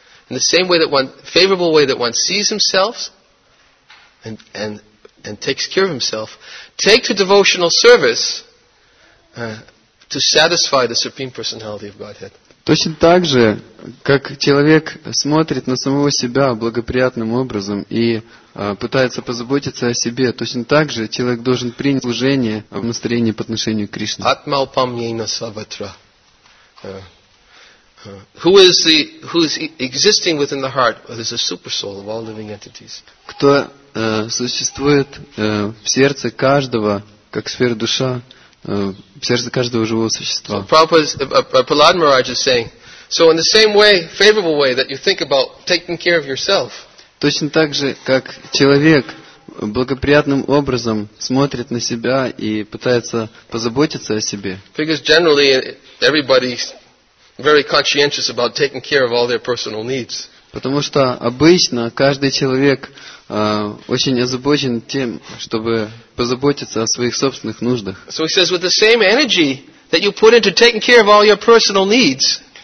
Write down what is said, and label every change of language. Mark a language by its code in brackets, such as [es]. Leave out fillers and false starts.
[en] In the same way that one favorable way that one sees himself and takes care of himself, take to devotional service to satisfy the supreme personality of Godhead. [ru] Точно так же, как человек смотрит на самого себя благоприятным образом и пытается позаботиться о себе, точно так же человек должен принять служение в настроении по отношению к Кришне. [sa] Атмалпамьейна саватра. [en] Who is existing within the heart? There's a supersoul of all living entities. [ru] Кто существует в сердце каждого, как сфера душа, в сердце каждого живого существа. [en] Prahlad Maharaj is saying, so in the same way, favorable way that you think about taking care of yourself. [ru] Точно так же, как человек благоприятным образом смотрит на себя и пытается позаботиться о себе. [en] Because generally everybody's very conscientious about taking care of all their personal needs. [ru] Потому что обычно каждый человек очень озабочен тем, чтобы позаботиться о своих собственных нуждах. [en] So he says, with the same energy that you put into taking care of all your personal needs.